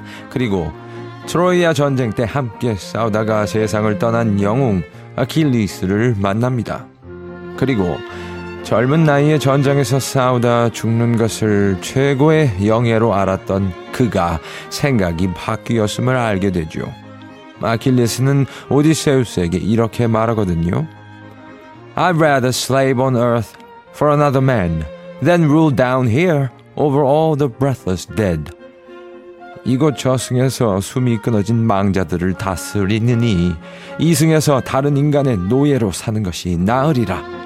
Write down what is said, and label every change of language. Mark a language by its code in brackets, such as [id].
[ko] 그리고 트로이아 전쟁 때 함께 싸우다가 세상을 떠난 영웅 아킬리스를 만납니다. 그리고 젊은 나이에 전장에서 싸우다 죽는 것을 최고의 영예로 알았던 그가 생각이 바뀌었음을 알게 되죠. 아킬리스는 오디세우스에게 이렇게 말하거든요. [en] I'd rather slave on earth for another man than rule down here over all the breathless dead. [ko] 이곳 저승에서 숨이 끊어진 망자들을 다스리느니 이승에서 다른 인간의 노예로 사는 것이 나으리라.